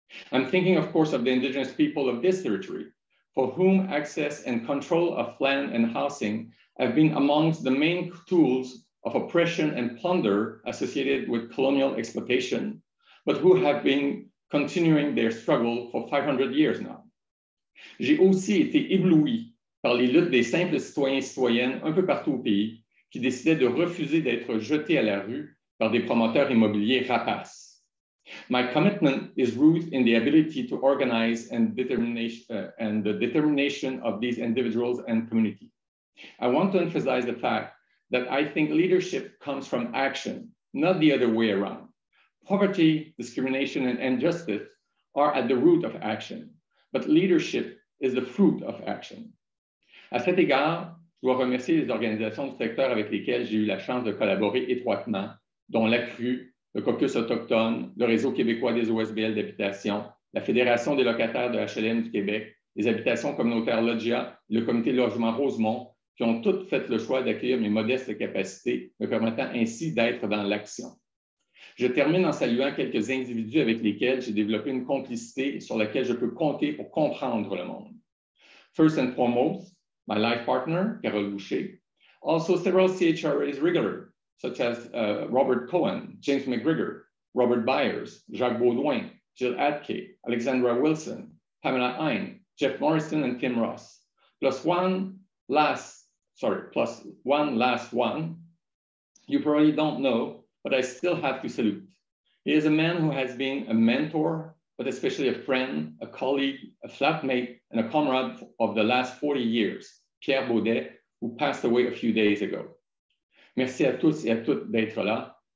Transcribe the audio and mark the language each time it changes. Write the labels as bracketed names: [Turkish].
[English] I'm thinking, of course, of the indigenous people of this territory, for whom access and control of land and housing have been amongst the main tools of oppression and plunder associated with colonial exploitation, but who have been continuing their struggle for 500 years now. [French] J'ai aussi été ébloui par les luttes des simples citoyens et citoyennes un peu partout au pays qui décidaient de refuser d'être jetés à la rue par des promoteurs immobiliers rapaces. [English] My commitment is rooted in the ability to organize and the determination of these individuals and communities. I want to emphasize the fact that I think leadership comes from action, not the other way around. Poverty, discrimination, and injustice are at the root of action, but leadership is the fruit of action. [French] À cet égard, je dois remercier les organisations du secteur avec lesquelles j'ai eu la chance de collaborer étroitement, dont l'ACRU, le Caucus autochtone, le Réseau québécois des OSBL d'habitation, la Fédération des locataires de HLM du Québec, les habitations communautaires Loggia, le comité de logement Rosemont, qui ont toutes fait le choix d'accueillir mes modestes capacités, me permettant ainsi d'être dans l'action. Je termine en saluant quelques individus avec lesquels j'ai développé une complicité sur laquelle je peux compter pour comprendre le monde. [English] First and foremost, my life partner, Carole Boucher. Also several CHRA's regulars, such as Robert Cohen, James McGregor, Robert Byers, Jacques Baudouin, Jill Atkey, Alexandra Wilson, Pamela Ein, Jeff Morrison, and Tim Ross, plus one last one, you probably don't know, but I still have to salute. He is a man who has been a mentor, but especially a friend, a colleague, a flatmate, and a comrade of the last 40 years, Pierre Baudet, who passed away a few days ago. [French] Merci à tous et à toutes d'être là.